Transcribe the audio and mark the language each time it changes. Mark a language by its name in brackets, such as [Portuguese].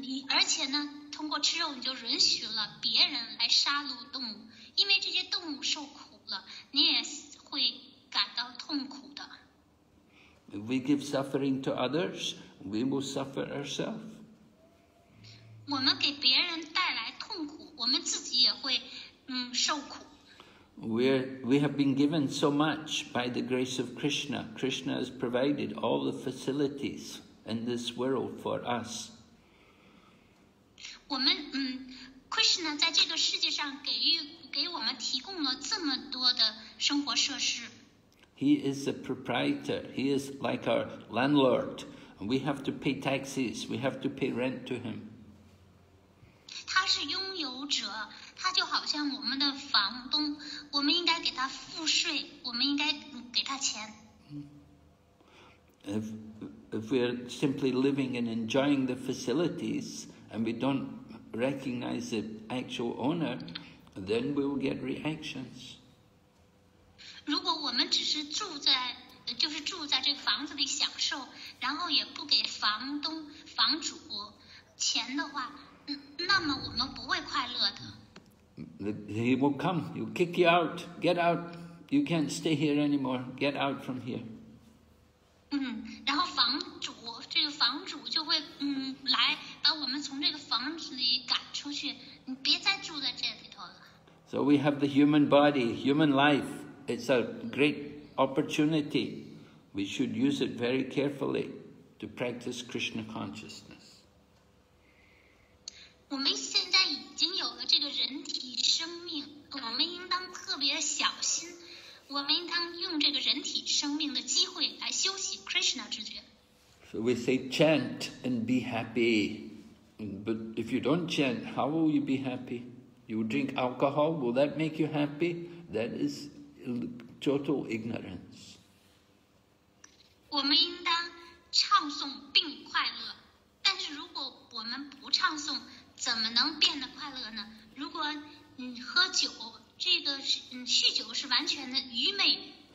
[Chinese] 而且呢，通过吃肉，你就允许了别人来杀戮动物，因为这些动物受苦了，你也会感到痛苦的。 [English] If we give suffering to others, we will suffer ourselves. [Chinese] 我们给别人带来痛苦，我们自己也会，受苦。 [English] We have been given so much by the grace of Krishna. Krishna has provided all the facilities in this world for us. [Chinese] 我们Krishna 在这个世界上给我们提供了这么多的生活设施。 [English] He is the proprietor. He is like our landlord. And we have to pay taxes. We have to pay rent to him. [Chinese] 他是拥有者，他就好像我们的房东。我们应该给他付税，我们应该给他钱。 [English] If we are simply living and enjoying the facilities and we don't recognize the actual owner, then we will get reactions. [Chinese] 如果我们只是住在，就是住在这房子里享受，然后也不给房东、房主钱的话，那么我们不会快乐的。 [English] He will come. He'll kick you out. Get out. You can't stay here anymore. Get out from here. [Chinese] 然后房主就会来把我们从这个房子里赶出去。你别再住在这里头了。 [English] So we have the human body, human life. It's a great opportunity. We should use it very carefully to practice Krishna consciousness. [Chinese] 我们现在已经有了这个人体。我们应当特别小心，我们应当用这个人体生命的机会来修习 Krishna 之觉。 [English] So we say chant and be happy, but if you don't chant, how will you be happy? You drink alcohol, will that make you happy? That is total ignorance. [Chinese] 我们应当唱诵并快乐，但是如果我们不唱诵，怎么能变得快乐呢？如果喝酒，这个酗酒是完全的愚昧。